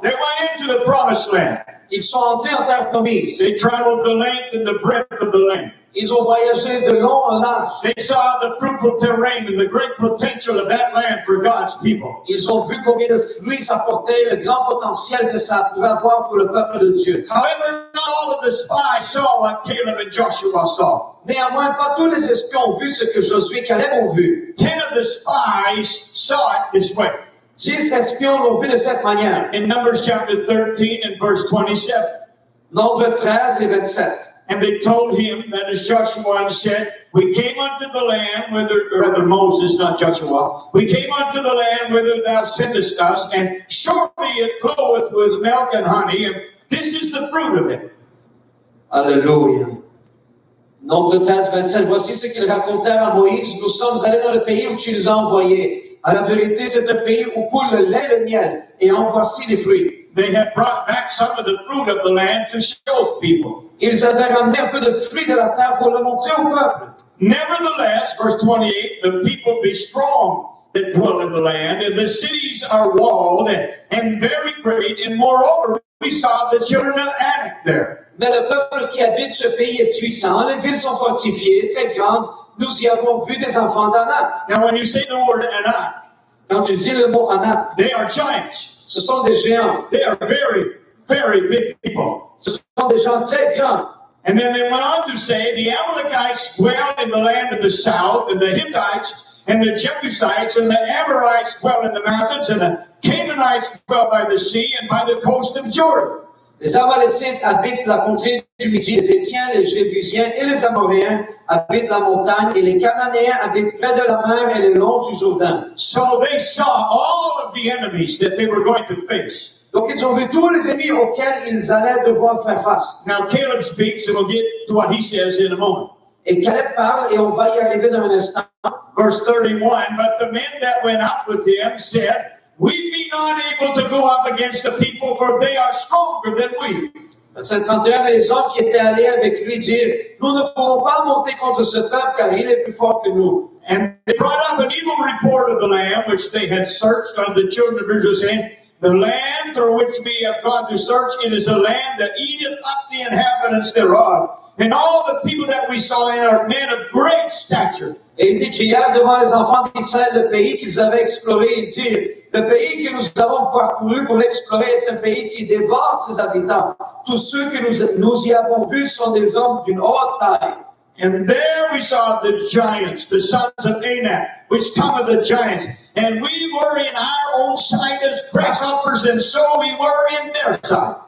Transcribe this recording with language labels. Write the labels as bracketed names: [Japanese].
[English] they went into the promised land. [French] Ils sont entrés en terre promise. [English] They traveled the length and the breadth of the land. [French] Ils ont voyagé de long en large. [English] They saw the fruitful terrain and the great potential of that land for God's people. [French] Ils ont vu combien de fruits ça portait, le grand potentiel que ça pouvait avoir pour le peuple de Dieu. [English] However, not all of the spies saw what Caleb and Joshua saw. [French] Néanmoins, pas tous les espions ont vu ce que Josué et Caleb ont vu. [English] 10 of the spies saw it this way. [French] 10 espions l'ont vu de cette manière. [English] In Numbers chapter 13 and verse 27. [French] Nombre 13 et 27. [English] And they told him, that is Joshua, and said, we came unto the land, whether, or rather Moses, not Joshua, we came unto the land whither thou sendest us, and surely it floweth with milk and honey, and this is the fruit of it. [French] Alléluia. Nombre 13, 27, voici ce qu'ils racontèrent à Moïse. Nous sommes allés dans le pays où tu nous as envoyés. À la vérité, c'est un pays où coule le lait et le miel, et en voici les fruits. [English] They had brought back some of the fruit of the land to show people. [French] Ils avaient ramené un peu de fruits de la terre pour le montrer au peuple. [English] Nevertheless, verse 28, the people be strong that dwell in the land, and the cities are walled and very great, and moreover, we saw the children of Anak there. [French] Mais le peuple qui habite ce pays est puissant, les villes sont fortifiées, très grandes, nous y avons vu des enfants d'Anak. [English] Now when you say the word Anak, [French] quand tu dis le mot Anak, [English] they are giants. [French] Ce sont des géants. [English] They are very, very big people. [French] Ce sont des gens très grands. [English] And then they went on to say, the Amalekites dwell in the land of the south, and the Hittites, and the Jebusites, and the Amorites dwell in the mountains, and the Canaanites dwell by the sea, and by the coast of Jordan. [French] Les Amalécites habitent la contrée du Midi, les Hittites, les Jébusiens et les Amoréens habitent la montagne, et les Cananéens habitent près de la mer et le long du Jourdain. [English] So they saw all of the enemies that they were going to face. [French] Donc ils ont vu tous les ennemis auxquels ils allaient devoir faire face. [English] Now Caleb speaks, and we'll get to what he says in a moment. [French] Et Caleb parle, et on va y arriver dans un instant. [English] Verse 31, but the men that went up with them said, we be not able to go up against the people, for they are stronger than we. [French] Verset 31, mais les hommes qui étaient allés avec lui dirent, nous ne pouvons pas monter contre ce peuple, car il est plus fort que nous. [English] And they brought up an evil report of the land, which they had searched on the children of Israel, saying, the land through which we have gone to search, it is a land that eateth up the inhabitants thereof. And all the people that we saw in are men of great stature. [French] Et ils décrièrent devant les enfants d'Israël le pays qu'ils avaient exploré. Ils dirent, le pays que nous avons parcouru pour l'explorer est un pays qui dévore ses habitants. Tous ceux que nous y avons vus sont des hommes d'une haute taille. [English] And there we saw the giants, the sons of Anak, which come of the giants. And we were in our own sight as grasshoppers, and so we were in their sight.